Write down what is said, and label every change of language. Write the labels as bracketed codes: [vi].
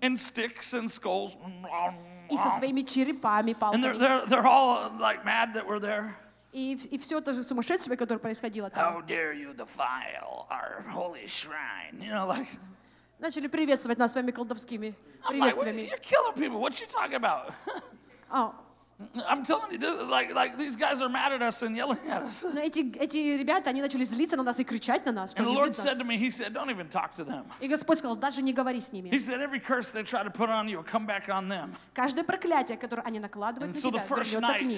[en] And sticks and skulls. [ru] И со своими черепами, палками. [en] And they're all like mad that we're there. [ru] И все то же сумасшествие, которое происходило там. [en] How dare you defile our holy shrine? You know, like. [ru] Начали приветствовать нас своими колдовскими приветствиями. [en] You're killing people. What you talking about? Oh. I'm telling you, like these guys are mad at us and yelling at us. [ru] Но эти ребята, они начали злиться на нас и кричать на нас. [en] And the Lord said to me, He said, don't even talk to them. [ru] И Господь сказал, даже не говори с ними. [en] He said, every curse they try to put on you will come back on them. [ru] Каждое проклятие, которое они накладывают на тебя, вернется к ним.